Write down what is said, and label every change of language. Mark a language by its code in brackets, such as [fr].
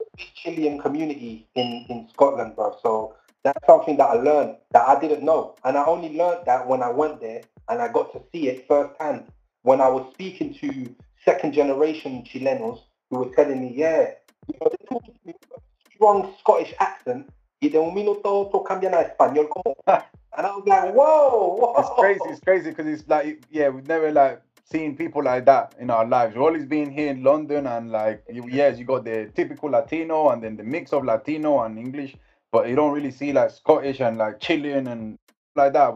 [en] Big Chilean community in Scotland, bro. So that's something that I learned that I didn't know. And I only learned that when I went there and I got to see it firsthand. When I was speaking to second generation Chilenos who were telling me, yeah, you know, they're talking to me with a strong Scottish accent. [es] Y de un minuto a otro cambian a español como. [en] And I was like, whoa. It's crazy because it's like, yeah, we've never like seen people like that in our lives. We've always been here in London and like, you got the typical Latino and then the mix of Latino and English, but you don't really see like Scottish and like Chilean and like that.